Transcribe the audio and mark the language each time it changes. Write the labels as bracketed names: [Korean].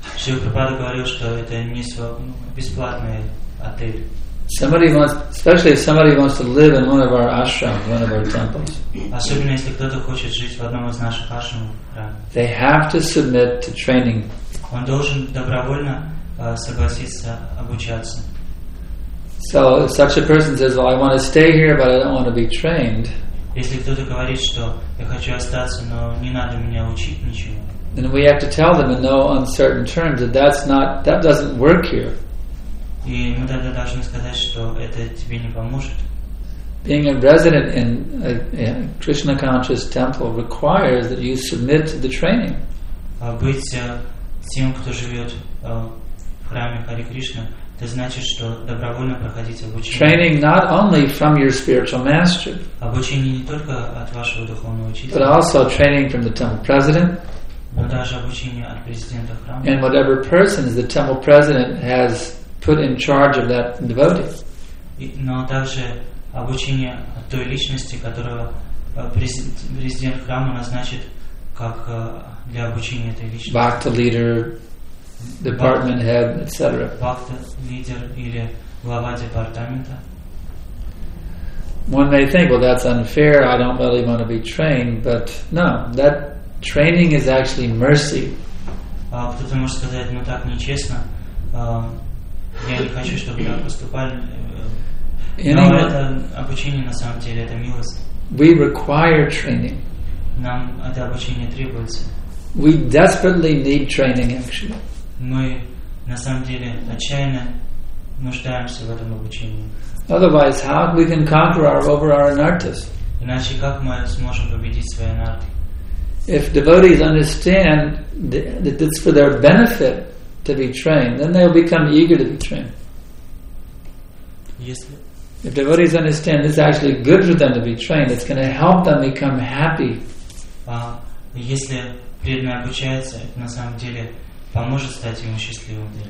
[Russian] Шрила Прабхупада говорил, что это не бесплатное. [English] Somebody wants, especially if somebody wants to live in one of our ashrams, one of our temples. [Russian] Особенно если кто-то хочет жить в одном из наших ашрамов. [English] They have to submit to training. [Russian] Он должен добровольно согласиться обучаться. [English] So if such a person says, "Well, I want to stay here, but I don't want to be trained," [Russian] если кто-то говорит, что я хочу остаться, но не надо меня учить ничего, [English] then we have to tell them in no uncertain terms that that doesn't work here. [Russian] И мы тогда должны сказать, что это тебе не поможет. [English] Being a resident in a Krishna conscious temple requires that you submit to the training. [Russian] Быть тем, кто живет в храме Хари Кришна, это значит, что добровольно проходить обучение. [English] Training not only from your spiritual master. [Russian] Обучение не только от вашего духовного учителя. [English] But also training from the temple president. [Russian] Но даже обучение от президента храма. [English] And whatever person the temple president has put in charge of that devotee. [Russian] Но также обучение той личности, которого президент храма назначит как для обучения этой личности. [English] Bhakta leader, department head, etc. [Russian] Bhakta leader или глава департамента. [English] One may think, well, that's unfair. I don't really want to be trained, but no, that training is actually mercy. [Russian] Кто-то может сказать, ну так нечестно. Я не хочу, чтобы так поступали. Но это обучение на самом деле, это милость. [English] We require training. [Russian] Нам это обучение требуется. [English] We desperately need training, actually. [Russian] Мы на самом деле отчаянно нуждаемся в этом обучении. [English] Otherwise, how we can conquer over our anarthas? [Russian] Иначе как мы сможем победить свои анарты? [English] If devotees understand that it's for their benefit to be trained, then they'll become eager to be trained. Yes. If devotees understand it's actually good for them to be trained, it's going to help them become happy. [Russian] Если преданный обучается, это на самом деле поможет стать ему счастливым.